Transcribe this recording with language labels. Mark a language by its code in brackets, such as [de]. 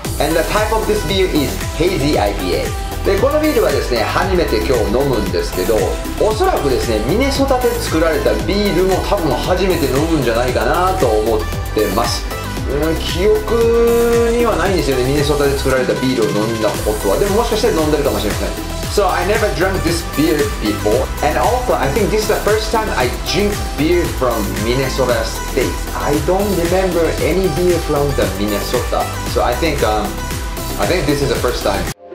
[en] And the type of this beer is Hazy IPA. [ja] でこのビールはですね、初めて今日飲むんですけど、おそらくですね、ミネソタで作られたビールも多分初めて飲むんじゃないかなと思ってます。記憶にはないんですよね、ミネソタで作られたビールを飲んだことは。でももしかしたら飲んでるかもしれません。 [en] So I never drank this beer before. And also I think this is the first time I drink beer from Minnesota state. I don't remember any beer from the Minnesota. So I think this is the first time.